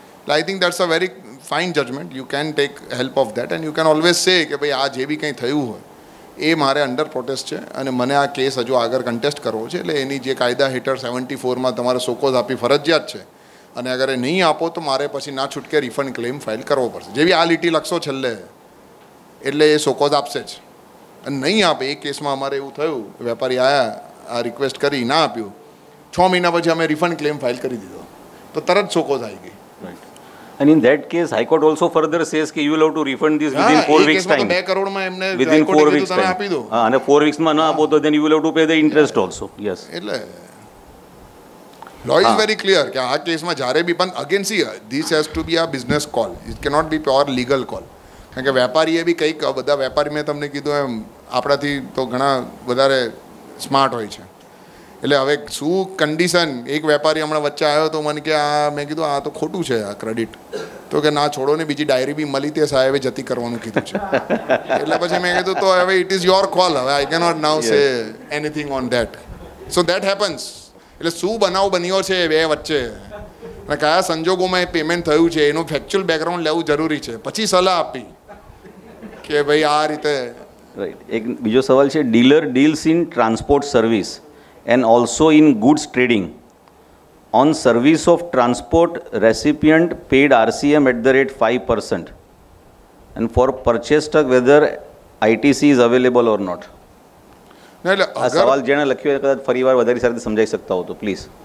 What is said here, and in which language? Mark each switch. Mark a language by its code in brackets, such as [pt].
[gu] એટલે [en] I think that's a very fine judgement, you can take help of that and you can always say [gu] કે ભાઈ આ જે બી કંઈ થયું હોય એ મારે અંડર પ્રોટેસ્ટ છે અને મને આ કેસ હજુ આગળ કન્ટેસ્ટ કરવો છે, એટલે એની જે કાયદા હેઠળ 74માં તમારે સોકોઝ આપી ફરજિયાત છે અને અગર એ નહીં આપો તો મારે પછી ના છૂટકે રિફંડ ક્લેમ ફાઇલ કરવો પડશે. જેવી આ લીટી લખશો છેલ્લે એટલે એ સોકોઝ આપશે જ, અને નહીં આપે. એ કેસમાં અમારે એવું થયું, વેપારી આયા આ રિક્વેસ્ટ કરી ના આપ્યું, 6 મહિના પછી અમે રિફંડ ક્લેમ ફાઇલ કરી દીધો તો તરત સોકોઝ આવી ગઈ. [en] And in that case, High Court also further says that you will have to refund this within 4 weeks time. Yes, in that case, I have given 2 crore within 4 weeks time. And if 4 weeks time, then you will have to pay the interest also. Yes. Law is very clear that in this case, again, see, this has to be a business call. It cannot be pure legal call. [gu] Because vyapari ye bhi kai bada vyapari mein tamne kidu em apna thi to ghana vadhare smart hoy chhe. એટલે હવે શું condition, એક વેપારી હમણાં વચ્ચે આવ્યો તો મને કે આ, મેં કીધું આ તો ખોટું છે આ ક્રેડિટ, તો કે ના છોડો ને બીજી ડાયરી બી મળી તે સાહેબે જતી કરવાનું કીધું છે. એટલે પછી મેં કીધું તો હવે [en] It is your call, હવે I cannot now say anything on that. So that happens. [gu] એટલે શું બનાવ બન્યો છે બે વચ્ચે અને કયા સંજોગોમાં એ પેમેન્ટ થયું છે એનું ફેક્ચ્યુઅલ બેકગ્રાઉન્ડ લેવું જરૂરી છે, પછી સલાહ આપી કે ભાઈ આ રીતે. [en] Right. [gu] એક બીજો સવાલ છે, [en] Dealer deals in transport service and also in goods trading on service of transport recipient paid RCM at the rate 5% and for purchase tag whether ITC is available or not. [gu] ના એટલે આ સવાલ જેણે લખ્યો એ કદાચ ફરીવાર વધારે સારી સમજાઈ શકતા હો તો પ્લીઝ.